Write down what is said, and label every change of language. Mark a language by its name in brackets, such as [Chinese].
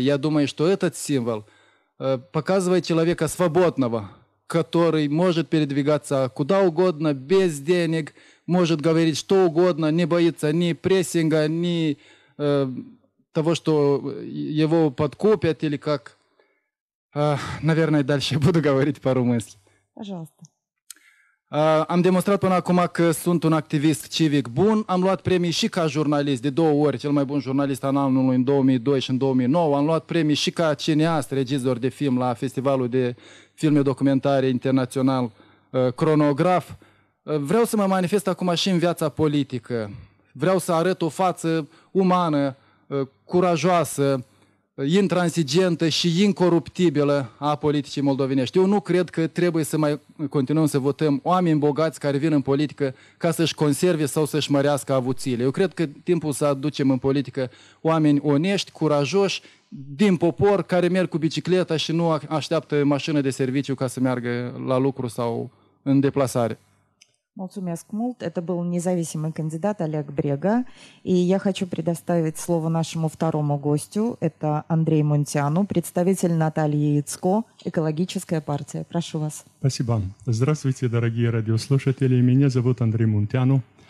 [Russian] Я думаю, что этот символ показывает человека свободного, который может передвигаться куда угодно, без денег, может говорить что угодно, не боится ни прессинга, ни того, что его подкупят, или как. Наверное, дальше буду говорить пару мыслей. Пожалуйста. [Romanian] Am demonstrat până acum că sunt un activist civic bun. Am luat premii și ca jurnalist de două ori, cel mai bun jurnalist al anului în 2002 și în 2009. Am luat premii și ca cineast, regizor de film la Festivalul de Filme Documentare Internațional Cronograf. Vreau să mă manifest acum și în viața politică. Vreau să arăt o față umană, curajoasă, intransigentă și incoruptibilă a politicii moldovenești. Eu nu cred că trebuie să mai continuăm să votăm oameni bogați care vin în politică ca să-și conserve sau să-și mărească avuțiile. Eu cred că timpul să aducem în politică oameni onești, curajoși, din popor, care merg cu bicicleta și nu așteaptă mașină de serviciu ca să meargă la lucru sau în deplasare. Mulțumesc mult. [Russian] Это был независимый кандидат Олег Брега. И я хочу предоставить слово нашему второму гостю. Это Андрей Мунтяну, представитель Натальи Яцко, экологическая партия. Прошу вас. Спасибо. Здравствуйте, дорогие радиослушатели. Меня зовут Андрей Мунтяну.